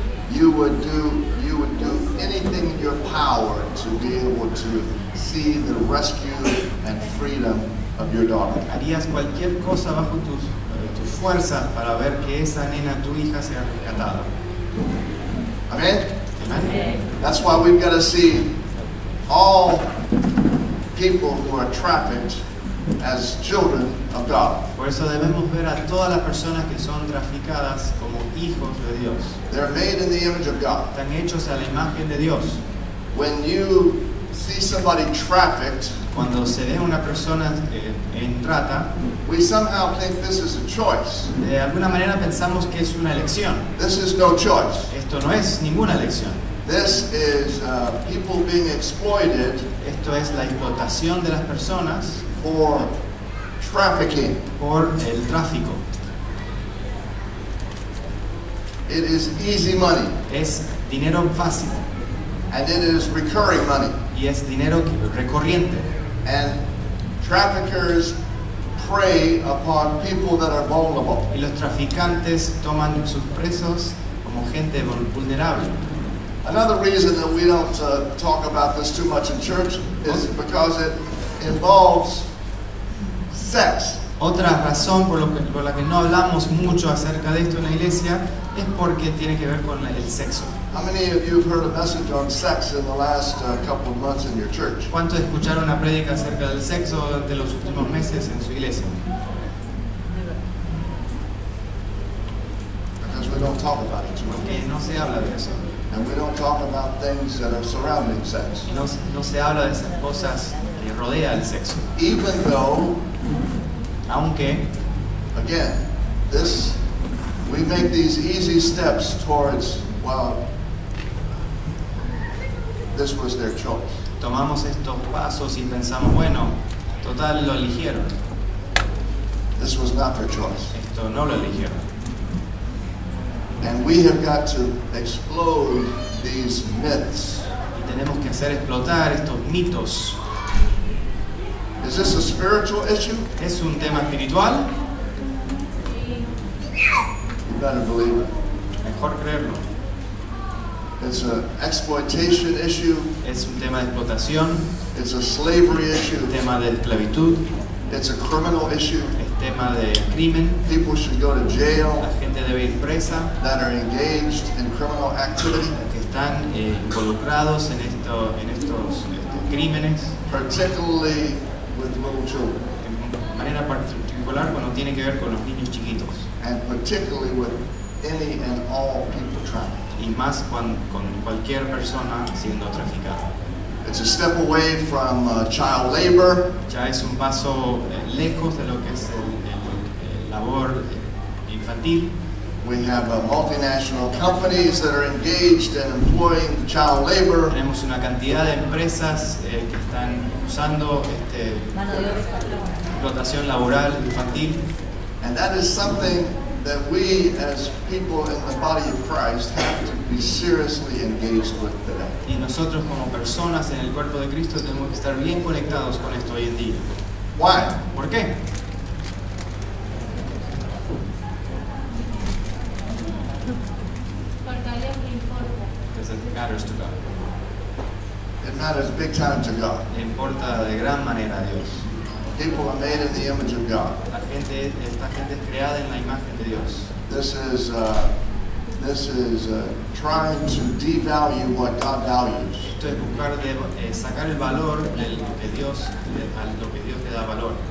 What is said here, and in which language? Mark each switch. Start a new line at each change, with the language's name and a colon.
English: You would do anything in your power to be able to see the rescue and freedom of your daughter.
Spanish: Harías cualquier cosa bajo tus fuerzas para ver que esa nena, tu hija, sea rescatada.
English: Amen.
Spanish: Amen.
English: That's why we've got to see all people who are trafficked as children of God.
Spanish: Por eso debemos ver a todas las personas que son traficadas como hijos de Dios.
English: They're made in the image of God.
Spanish: Están hechos a la imagen de Dios.
English: When you see somebody trafficked,
Spanish: cuando se ve una persona en trata,
English: we somehow think this is a choice.
Spanish: De alguna manera pensamos que es una elección.
English: This is no choice.
Spanish: Esto no es ninguna elección.
English: This is people being exploited.
Spanish: Esto es la explotación de las personas.
English: For trafficking.
Spanish: Por el tráfico.
English: It is easy money.
Spanish: Es dinero fácil.
English: And it is recurring money.
Spanish: Y es dinero recurrente.
English: And traffickers prey upon people that are vulnerable.
Spanish: Y los traficantes toman sus presos como gente vulnerable.
English: Another reason that we don't talk about this too much in church is because it involves sex.
Spanish: Otra razón por la que no hablamos mucho acerca de esto en la iglesia es porque tiene que ver con el sexo.
English: How many of you have heard a message on sex in the last couple of months in your church?
Spanish: ¿Cuántos escucharon una prédica acerca del sexo durante los últimos meses en su iglesia?
English: Because we don't talk about it too much.
Spanish: Porque no se habla de eso.
English: And we don't talk about things that are surrounding sex.
Spanish: Y no se habla de esas cosas que rodea el sexo.
English: Even though,
Spanish: aunque,
English: again, this, we make these easy steps towards, well, this was their choice.
Spanish: Tomamos estos pasos y pensamos, bueno, total lo eligieron.
English: This was not their choice.
Spanish: Esto no lo eligieron.
English: And we have got to explode these myths.
Spanish: Y tenemos que hacer explotar estos mitos.
English: Is this a spiritual issue?
Spanish: ¿Es un tema espiritual?
English: You better believe it.
Spanish: Mejor creerlo.
English: It's an exploitation issue.
Spanish: Es un tema de explotación.
English: It's a slavery issue.
Spanish: Tema de esclavitud.
English: It's a criminal issue.
Spanish: Es tema de crimen.
English: People should go to jail.
Spanish: La gente debe ir presa.
English: That are engaged in criminal activity.
Spanish: Que están involucrados en esto, en estos crímenes.
English: Particularly with little children.
Spanish: De manera particular cuando tiene que ver con los niños chiquitos.
English: And particularly with any and all people trafficked.
Spanish: Y más con cualquier persona siendo traficada.
English: It's a step away from child labor.
Spanish: Ya es un paso lejos de lo que es el labor infantil.
English: We have multinational companies that are engaged in employing child labor.
Spanish: Tenemos una cantidad de empresas que están usando explotación laboral infantil.
English: And that is something that we as people in the body of Christ have to be seriously engaged with today.
Spanish: Y nosotros como personas en el cuerpo de Cristo tenemos que estar bien conectados con esto hoy en día.
English: Why?
Spanish: ¿Por qué? Porque a Dios le importa.
English: Because it matters to God. It matters big time to God.
Spanish: Le importa de gran manera a Dios.
English: People are made in the image of God.
Spanish: Esta gente es creada en la imagen de Dios.
English: This is trying to devalue what God values.
Spanish: Esto es buscar sacar el valor de lo que Dios le da valor.